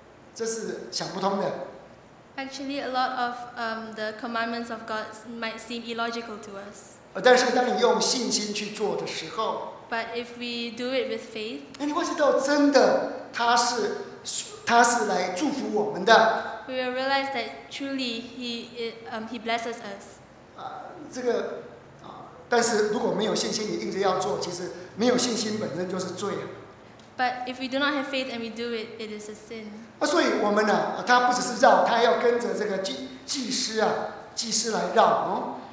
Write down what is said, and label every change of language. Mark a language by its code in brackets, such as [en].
[zh] 其实哦，很多神的话，有时候你用头脑去想，像好像在绕城一样，这是想不通的。 [en] Actually, a lot of the commandments of God might seem illogical to us. [zh] 但是当你用信心去做的时候， [en] But if we do it with faith, [zh] 你会知道真的他是来祝福我们的。 [en] We will realize that truly he blesses us. [zh] 但是如果没有信心，你硬着要做，其实没有信心本身就是罪啊。 [en] But if we do not have faith and we do it, it is a sin. [zh] 所以我们呢，他不只是绕，他要跟着这个祭司来绕哦。